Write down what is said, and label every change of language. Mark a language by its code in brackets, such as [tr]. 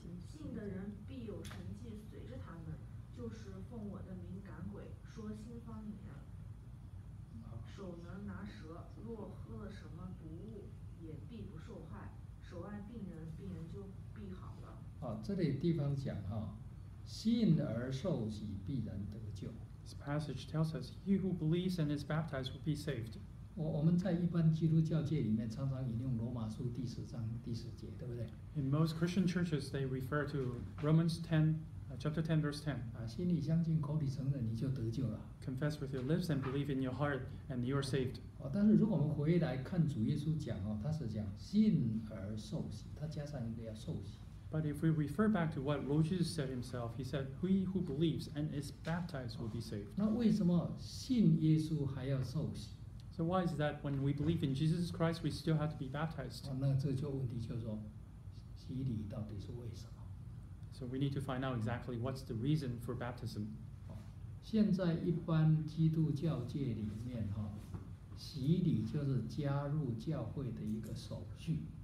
[zh] 信的人必有神迹随着他们，就是奉我的名赶鬼，说新方言。手能拿蛇，若喝了什么毒物也必不受害，手按病人，病人就必好了。哦，这里地方讲哈，信而受洗必然得救。 [en] This passage tells us, he who believes and is baptized will be saved. [zh] 我们在一般基督教界里面常常引用罗马书第十章第十节，对不对？ [en] In most Christian churches, they refer to Romans 10, chapter 10, verse 10. [zh] 心里相信，口里承认，你就得救了。 [en] Confess with your lips and believe in your heart, and you are saved. [zh] 但是如果我们回来看主耶稣讲，他是讲信而受洗，他加上一个要受洗。 [en] But if we refer back to what Lord Jesus said himself, he said, he who believes and is baptized will be saved. [zh] 那为什么信耶稣还要受洗？ [en] So why is that when we believe in Jesus Christ, we still have to be baptized? [zh] 那这就问题就是说，洗礼到底是为什么？ [en] So we need to find out exactly what's the reason for baptism. [zh] 现在一般基督教界里面，洗礼就是加入教会的一个手续。